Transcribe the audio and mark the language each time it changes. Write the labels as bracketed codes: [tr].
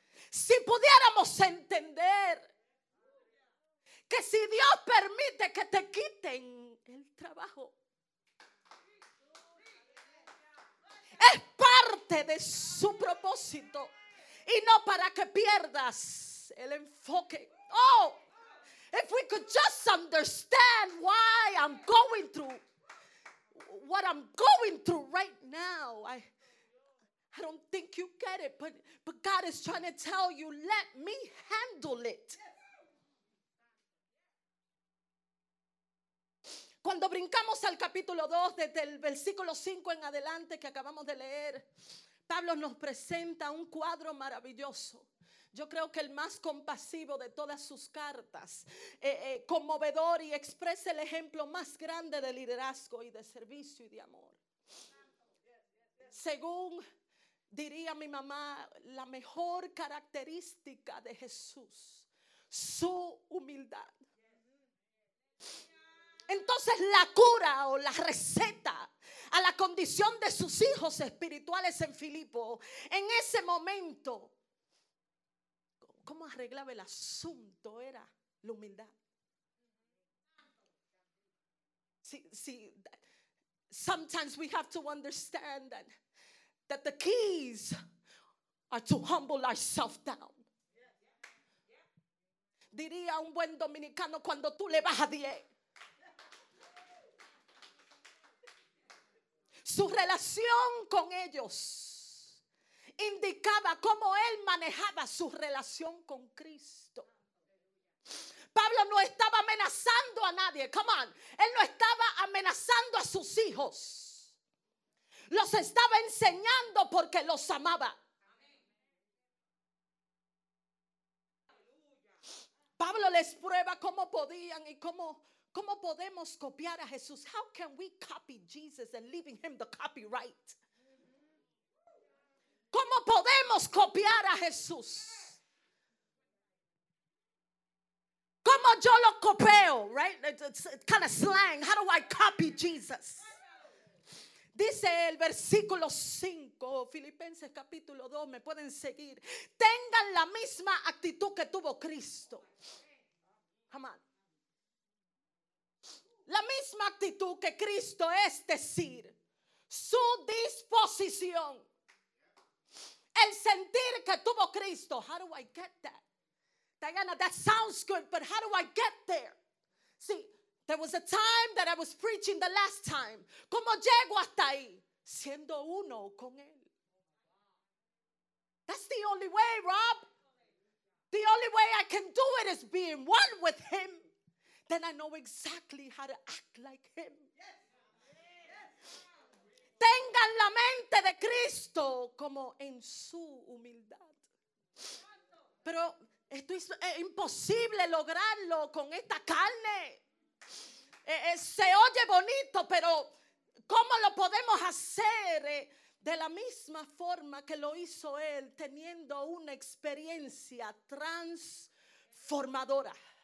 [es] Si pudiéramos entender que si Dios permite que te quiten el trabajo, es parte de su propósito y no para que pierdas el enfoque. [en] Oh, if we could just understand why I'm going through what I'm going through right now. I don't think you get it, but God is trying to tell you, let me handle it. [es] Cuando brincamos al capítulo 2, desde el versículo 5 en adelante que acabamos de leer, Pablo nos presenta un cuadro maravilloso. Yo creo que el más compasivo de todas sus cartas, conmovedor y expresa el ejemplo más grande de liderazgo y de servicio y de amor. Según diría mi mamá, la mejor característica de Jesús, su humildad. Entonces la cura o la receta a la condición de sus hijos espirituales en Filipo, en ese momento, ¿cómo arreglaba el asunto? Era la humildad. [en] Sí, sometimes we have to understand that the keys are to humble ourselves down. [es] Diría un buen dominicano, cuando tú le bajas 10. Su relación con ellos indicaba cómo él manejaba su relación con Cristo. Pablo no estaba amenazando a nadie. [en] Come on. [es] Él no estaba amenazando a sus hijos. Los estaba enseñando porque los amaba. Pablo les prueba cómo podían y cómo podemos copiar a Jesús. [en] How can we copy Jesus and leaving him the copyright? [es] ¿Cómo podemos copiar a Jesús? ¿Cómo yo lo copio? [en] Right? It's kind of slang. How do I copy Jesus? [es] Dice el versículo 5, Filipenses capítulo 2, me pueden seguir. Tengan la misma actitud que tuvo Cristo. Amén. La misma actitud que Cristo, es decir, su disposición. El sentir que tuvo Cristo. [en] How do I get that? Diana, that sounds good, but how do I get there? See, there was a time that I was preaching the last time. [es] ¿Cómo llego hasta ahí? Siendo uno con Él. [en] That's the only way, Rob. The only way I can do it is being one with Him. Then I know exactly how to act like Him. [es] Tengan la mente de Cristo como en su humildad. Pero esto es imposible lograrlo con esta carne. Se oye bonito, pero ¿cómo lo podemos hacer de la misma forma que lo hizo él, teniendo una experiencia transformadora?